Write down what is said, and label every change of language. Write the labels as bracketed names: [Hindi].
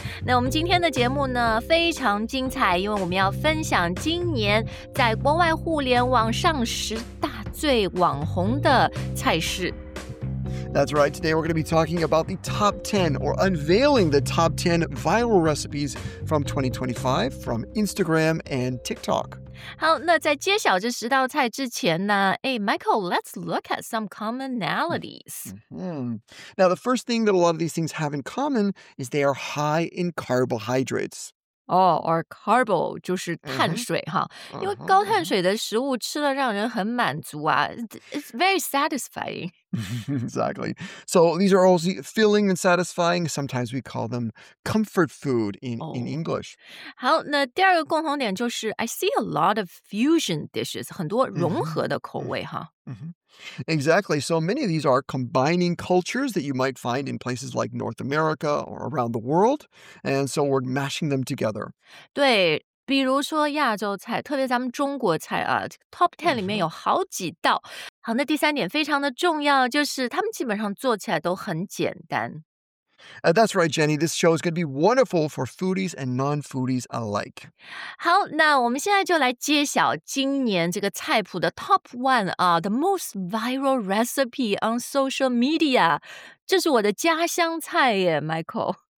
[Chinese] 那我们今天的节目呢非常精彩，因为我们要分享今年在国外互联网上十大最网红的菜式。 [English] That's right. Today we're going to be talking about the top 10 or unveiling the top 10 viral recipes from 2025 from Instagram and TikTok. [Chinese] 好，那在揭晓这十道菜之前呢，Michael, [English] let's look at some commonalities. Now, the first thing that a lot of these things have in common is they are high in carbohydrates. [Chinese] Or carbo 就是碳水哈，因为高碳水的食物吃了让人很满足啊。 [English] It's very satisfying. Exactly. So these are also filling and satisfying. Sometimes we call them comfort food in English. [Chinese] 好，那第二个共同点就是 [English] I see a lot of fusion dishes, [Chinese] 很多融合的口味哈。 [English] Exactly. So many of these are combining cultures that you might find in places like North America or around the world. And so we're mashing them together. [Chinese] 对，比如说亚洲菜，特别咱们中国菜啊 ,Top 10里面有好几道。好，那第三点非常的重要，就是他们基本上做起来都很简单。 [English] That's right, Jenny. This show is going to be wonderful for foodies and non-foodies alike. [Chinese] 好，那我们现在就来揭晓今年这个菜谱的 top one, [English] the most viral recipe on social media. [Chinese] 这是我的家乡菜耶 ,Michael.